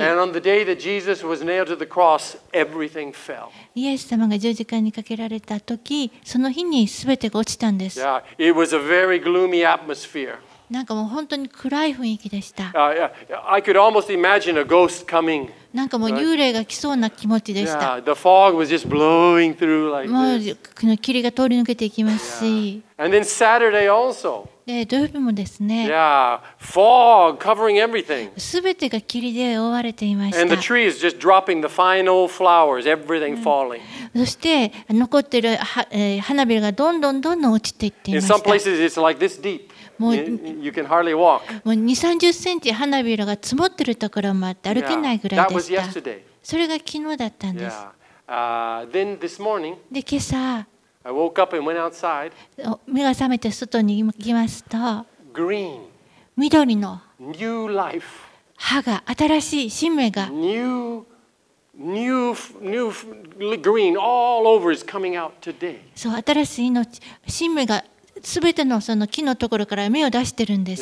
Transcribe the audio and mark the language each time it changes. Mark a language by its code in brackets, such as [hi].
[en] and on the day that Jesus was nailed to the cross, everything fell. [ja] イエス様が十字架にかけられた時、その日に全てが落ちたんです。 [en] yeah, it was a very gloomy atmosphere. [ja] なんかもう本当に暗い雰囲気でした。 [en] I could almost imagine a ghost coming. [ja] なんかもう幽霊が来そうな気持ちでした。 [en] Yeah, the fog was just blowing through like this. [ja] もう霧が通り抜けていきますし。 [en] Yeah. And then Saturday also. [ja] で土曜日もですね。 [en] Yeah, fog covering everything. [ja] すべてが霧で覆われていました。 [en] And the tree is just dropping the final flowers, everything falling. [ja] そして残ってる花びらがどんどんどんどん落ちていっていました。 [en] In some places it's like this deep. [ja] もう2、30センチ花びらが積もってるところもあって歩けないぐらいでした。それが昨日だったんです。 [en] Then this morning, [ja] で今朝、 [en] I woke up and went outside. [ja] 目が覚めて外に行きますと、 [en] Green. [ja] 緑の、 [en] New life. [ja] 葉が、新しい新芽が、 [en] New green all over is coming out today. [ja] そう、新しい命、新芽が。すべて の, その木のところから芽を出してるんです。